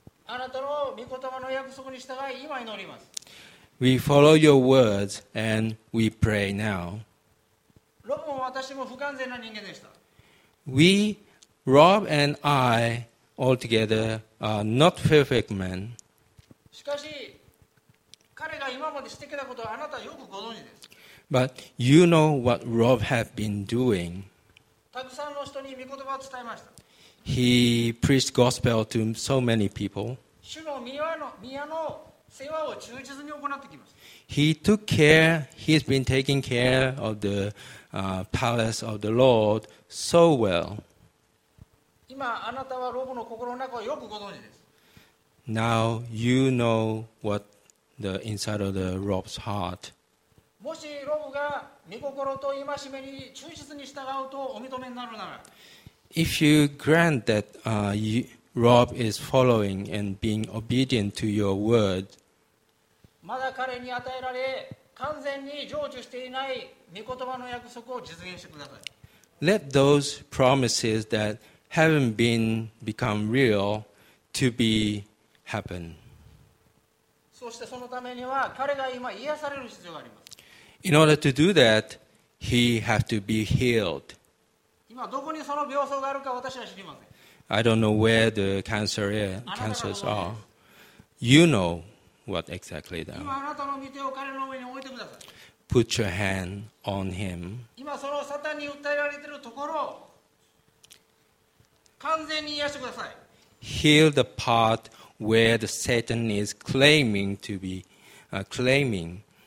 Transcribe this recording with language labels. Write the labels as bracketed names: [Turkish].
[Japanese] あなたの御言葉の約束に従い今祈ります。 [English] We follow your words and we pray now. [Japanese] ロブも私も不完全な人間でした。 [English] We, Rob and I altogether are not perfect men. [Japanese] しかし彼が今までしてきたことはあなたはよくご存知です。 [English] But you know what Rob has been doing. [Japanese] たくさんの人に御言葉を伝えました。 [English] He preached gospel to so many people. He took care, he's been taking care of the palace of the Lord so well. Now you know what the inside of the Rob's heart. [Japanese] もしロブが御心と戒めに忠実に従うとお認めになるなら、 [English] If you grant that Rob is following and being obedient to your word, [Japanese] まだ彼に与えられ完全に成就していない御言葉の約束を実現してください。 [English] Let those promises that haven't been become real to be happen. [Japanese] そしてそのためには彼が今癒される必要があります。 [English] In order to do that, he has to be healed. [Japanese] 今どこにその病巣があるか私は知りません。 [English] I don't know where the cancer is, cancers are. You know what exactly they are. [Japanese] 今あなたの御手を彼の上に置いてください。 [English] Put your hand on him. [Japanese] 今そのサタンに訴えられているところを完全に癒してください。 [English] Heal the part where the Satan is claiming to be, claiming.